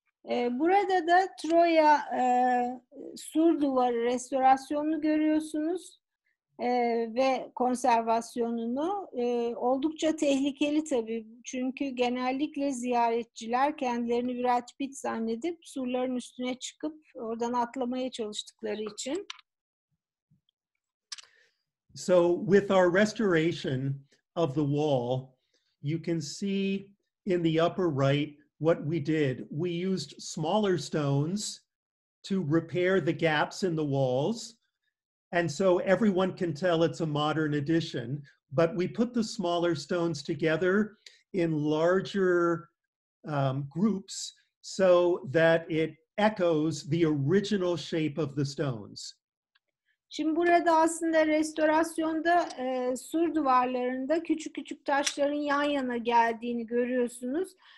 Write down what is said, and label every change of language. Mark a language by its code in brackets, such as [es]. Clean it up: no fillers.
[tr] Burada da Troya sur duvarı restorasyonunu görüyorsunuz ve konservasyonunu. Oldukça tehlikeli tabii, çünkü genellikle ziyaretçiler kendilerini Brad Pitt zannedip surların üstüne çıkıp oradan atlamaya çalıştıkları için. [en] So with our restoration of the wall, you can see in the upper right what we did. We used smaller stones to repair the gaps in the walls. And so everyone can tell it's a modern addition, but we put the smaller stones together in larger groups so that it echoes the original shape of the stones. [tr] Şimdi burada aslında restorasyonda sur duvarlarında küçük küçük taşların yan yana geldiğini görüyorsunuz.